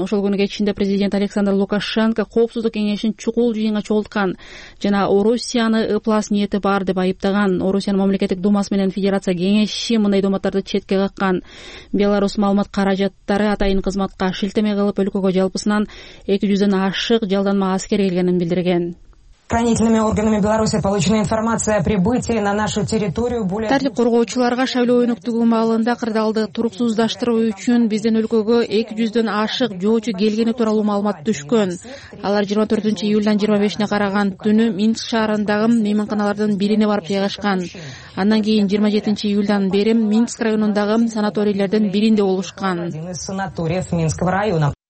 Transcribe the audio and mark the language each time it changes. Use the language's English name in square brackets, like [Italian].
[Kyrgyz] Ошол күнү кечинде президент Александр Лукашенко Коопсуздук кеңешин чукул жыйынга чогултканын жана Орусияны ыплас ниети бар деп айыптаган. Орусиянын мамлекеттик думасы менен федерация кеңеши мындай думаттарды четке каккан. Беларусь маалымат каражаттары атайын кызматка шилтеме кылып өлкөгө жалпысынан 200 ашык жалданма аскер келгенин билдирген. [Russian] Правоохранительными органами Беларуси получена информация о прибытии на нашу территорию более. [Kyrgyz] Тартип коргоочуларга шайлоо өнүктүгү маалында кырдаалды туруксуздаштыруу үчүн биздин өлкөгө 200 ашык жоочу келгени тууралуу маалымат түшкөн. Алар 24 июлдан 25 караган түнү Минск шаарындагы мейманканалардын бирине барып жайгашкан. Андан кийин 27 июлдан бери Минск районундагы санаторийлердин биринде болушкан.